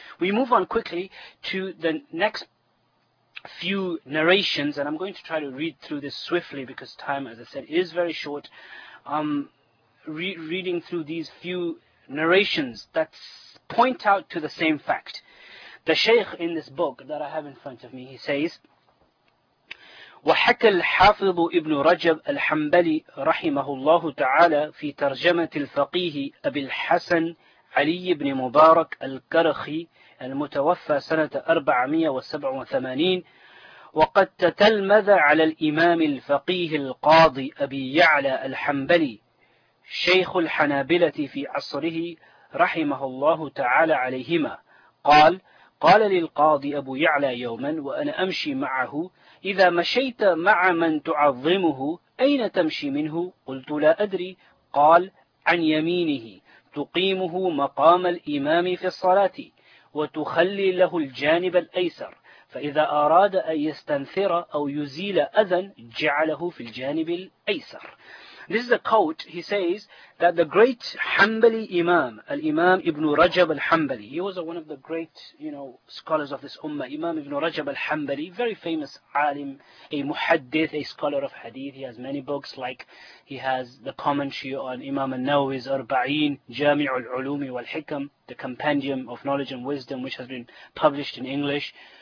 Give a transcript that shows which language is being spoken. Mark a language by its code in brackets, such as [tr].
[en] We move on quickly to the next few narrations, and I'm going to try to read through this swiftly because time, as I said, is very short. Reading through these few narrations that point out to the same fact. The Shaykh in this book that I have in front of me, he says, [ar] وَحَكَى الْحَافِظُ إِبْنُ رَجَبَ الْحَنْبَلِي رَحِمَهُ اللَّهُ تَعَالَى فِي تَرْجَمَةِ الْفَقِيهِ أَبِي الْحَسَنِ عَلِيِّ بْنِ مُبَارَكَ الْكَرَخِي المتوفى سنة 487، وقد تتلمذ على الإمام الفقيه القاضي أبي يعلى الحنبلي شيخ الحنابلة في عصره رحمه الله تعالى عليهما، قال للقاضي أبو يعلى يوما وأنا أمشي معه: إذا مشيت مع من تعظمه أين تمشي منه؟ قلت: لا أدري. قال: عن يمينه تقيمه مقام الإمام في الصلاة وتخلي له الجانب الأيسر، فإذا أراد أن يستنثر أو يزيل أذن جعله في الجانب الأيسر. [en] This is a quote. He says that the great Hanbali Imam, Al-Imam Ibn Rajab Al-Hanbali, he was one of the great, you know, scholars of this ummah. Imam Ibn Rajab Al-Hanbali, very famous alim, a muhaddith, a scholar of hadith. He has many books, like he has the commentary on Imam An-Nawawi's Arba'een, Jami'u Al-Ulum Wal-Hikam, the compendium of knowledge and wisdom, which has been published in English.